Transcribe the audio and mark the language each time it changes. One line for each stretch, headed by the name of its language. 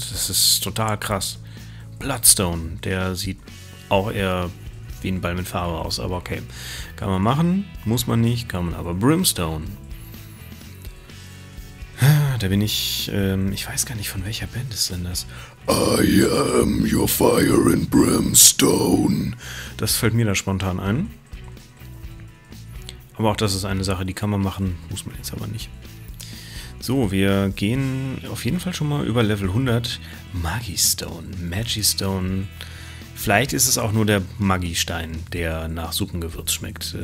German: Das ist total krass. Bloodstone, der sieht auch eher wie ein Ball mit Farbe aus. Aber okay, kann man machen. Muss man nicht, kann man aber. Brimstone. Da bin ich, ich weiß gar nicht, von welcher Band ist denn das?
English: I am your fire and brimstone.
German: Das fällt mir da spontan ein. Aber auch das ist eine Sache, die kann man machen, muss man jetzt aber nicht. So, wir gehen auf jeden Fall schon mal über Level 100. Magistone, Magistone. Vielleicht ist es auch nur der Magistein, der nach Suppengewürz schmeckt.